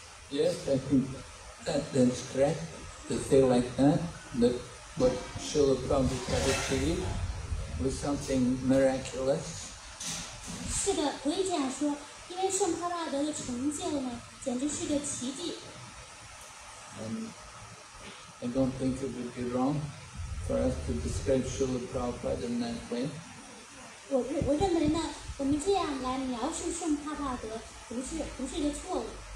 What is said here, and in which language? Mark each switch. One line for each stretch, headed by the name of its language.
English: Yes, I think that's correct to say like that, that what Srila Prabhupada achieved was something miraculous.
Chinese: 是的，可以这样说，因为圣帕拉德的成就呢，简直是个奇迹。
English: And I don't think it would be wrong for us to describe Srila Prabhupada in that way.
Chinese: 我认为呢，我们这样来描述圣帕拉德，不是个错误。